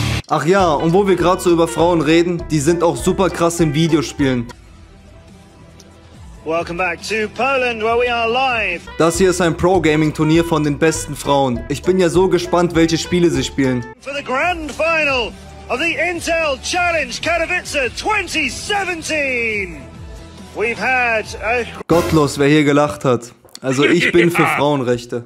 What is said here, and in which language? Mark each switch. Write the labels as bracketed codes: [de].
[de] Ach ja, und wo wir gerade so über Frauen reden, die sind auch super krass im Videospielen. [en] Welcome back to Poland, where we are live. [de] Das hier ist ein Pro-Gaming-Turnier von den besten Frauen. Ich bin ja so gespannt, welche Spiele sie spielen. [en] For the grand final of the Intel Challenge Katowice 2017. We've had a... [de] Gottlos, wer hier gelacht hat. Also ich bin für Frauenrechte.